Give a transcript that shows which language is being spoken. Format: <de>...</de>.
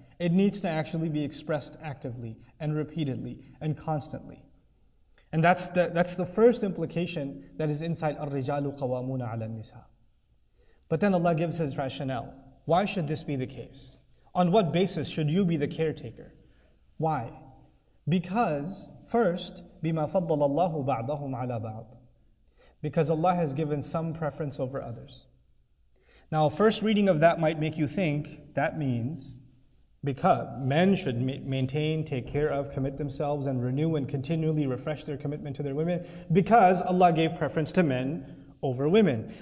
<en>It needs to actually be expressed actively and repeatedly and constantly. And that's the first implication that is inside</en> <ar>الرِّجَالُ قَوَامُونَ عَلَى النِّسَاءِ.</ar> <en>But then Allah gives His rationale. Why should this be the case? On what basis should you be the caretaker? Why? Because, first,</en> <ar>بِمَا فَضَّلَ اللَّهُ بَعْضَهُمْ عَلَى بَعْضٍ.</ar> <en>Because Allah has given some preference over others. Now, first reading of that might make you think that means because men should maintain, take care of, commit themselves, and renew and continually refresh their commitment to their women because Allah gave preference to men over women.</en>